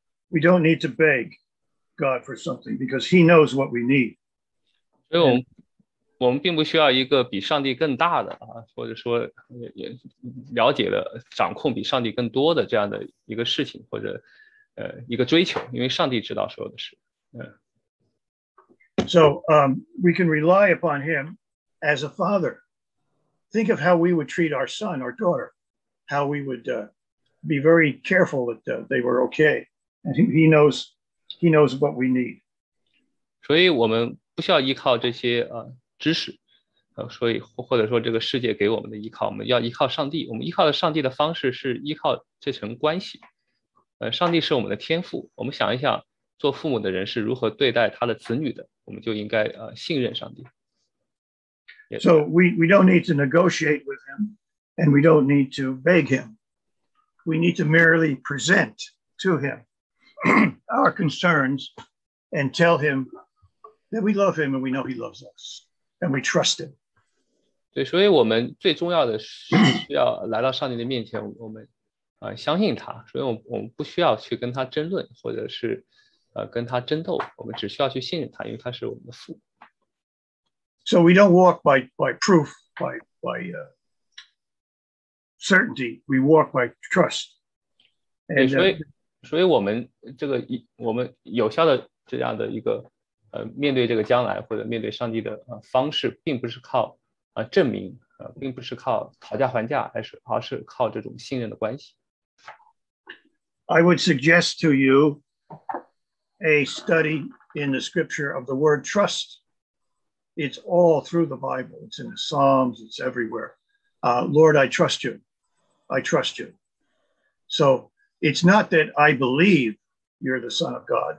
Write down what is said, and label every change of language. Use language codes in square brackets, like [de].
[en] We don't need to beg God for something because He knows what we need. [zh] 所以我们并不需要一个比上帝更大的啊，或者说也了解的掌控比上帝更多的这样的一个事情或者一个追求，因为上帝知道所有的事。 [en] So, we can rely upon Him as a father. Think of how we would treat our son or daughter. How we would be very careful that they were okay, and he knows what we need. [zh] 所以我们不需要依靠这些知识，所以或者说这个世界给我们的依靠，我们要依靠上帝。我们依靠的上帝的方式是依靠这层关系。上帝是我们的天父。我们想一想，做父母的人是如何对待他的子女的，我们就应该信任上帝。 [en] Yes. So we don't need to negotiate with him. And we don't need to beg him. We need to merely present to him our concerns and tell him that we love him and we know he loves us and we trust him. [zh] 对，所以我们最重要的是需要来到上帝的面前，我们相信他。所以我们不需要去跟他争论，或者是跟他争斗。我们只需要去信任他，因为他是我们的父。 [en] So we don't walk by proof by certainty, we walk by trust. [zh] And, 所以我们这个我们有效的这样的一个面对这个将来或者面对上帝的方式并不是靠证明并不是靠讨价还价而是靠这种信任的关系。 [en] I would suggest to you a study in the scripture of the word trust. It's all through the Bible. It's in the Psalms. It's everywhere. Lord, I trust you. I trust you. So it's not that I believe you're the Son of God.